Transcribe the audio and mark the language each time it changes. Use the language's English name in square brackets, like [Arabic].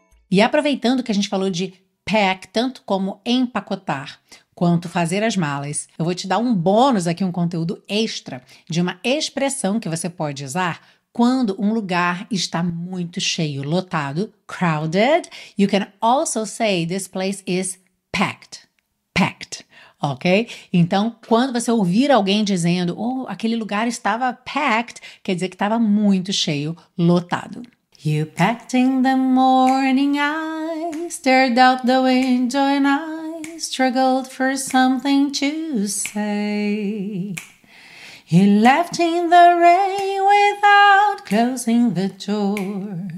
[Portuguese] E aproveitando que a gente falou de pack, tanto como empacotar, quanto fazer as malas, eu vou te dar um bônus aqui, um conteúdo extra, de uma expressão que você pode usar quando um lugar está muito cheio, lotado, crowded. [English] You can also say this place is packed, packed, ok? [Portuguese] Então, quando você ouvir alguém dizendo, oh, aquele lugar estava packed, quer dizer que estava muito cheio, lotado. [English] You packed in the morning, I stared out the window and I struggled for something to say. He left in the rain without closing the door.